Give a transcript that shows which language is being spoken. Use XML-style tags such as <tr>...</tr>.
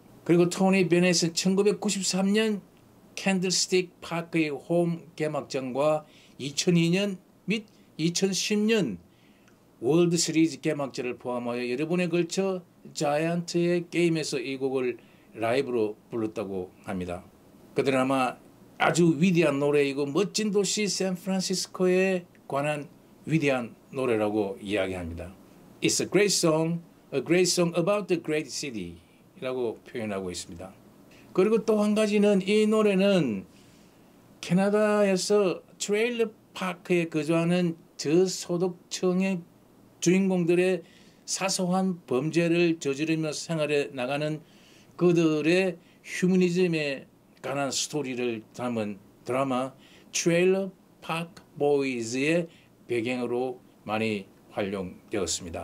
<ko>그리고 토니 베넷은 1993년 캔들스틱 파크의 홈 개막전과 2002년 및 2010년 월드 시리즈 개막전을 포함하여 여러 번에 걸쳐 자이언트의 게임에서 이 곡을 라이브로 불렀다고 합니다. 그들은 아마 아주 위대한 노래이고 멋진 도시 샌프란시스코에 관한 위대한 노래라고 이야기합니다.</ko> <en>It's a great song about the great city</en> <ko>라고 표현하고 있습니다. 그리고 또한 가지는 이 노래는 캐나다에서 트레일러 파크에 거주하는 저소득층의 주인공들의 사소한 범죄를 저지르며 생활해 나가는 그들의 휴머니즘에 관한 스토리를 담은 드라마 트레일러 파크 보이즈의 배경으로 많이 활용되었습니다.</ko>